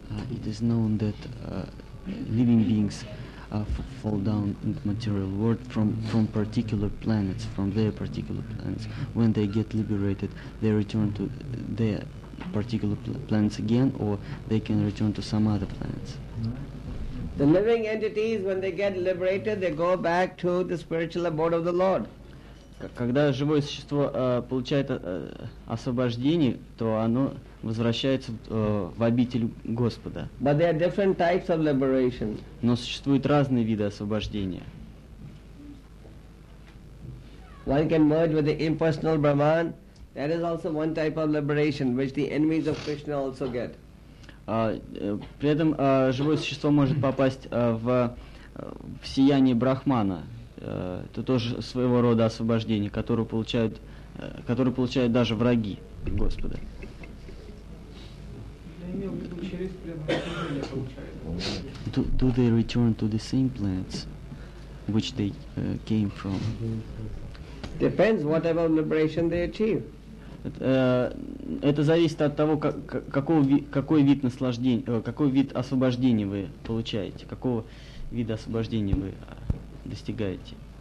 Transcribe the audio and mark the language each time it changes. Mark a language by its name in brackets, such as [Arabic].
[English] It is known that living beings fall down in the material world from particular planets, from their particular planets. When they get liberated, they return to their particular planets again, or they can return to some other planets. The living entities, when they get liberated, they go back to the spiritual abode of the Lord. [Russian] Когда живое существо получает освобождение, то оно возвращается в обитель Господа. [English] But there are different types of liberation. [Russian] Но существуют разные виды освобождения. [English] One can merge with the impersonal Brahman. That is also one type of liberation, which the enemies of Krishna also get. [Russian] При этом живое существо может попасть в сияние Брахмана. это тоже своего рода освобождение, которое получают, даже враги Господа. [English] Do they return to the same planets which they came from? Depends whatever liberation they achieve. [Russian] Это зависит от того, какой вид освобождения вы получаете, какого вида освобождения вы достигаете.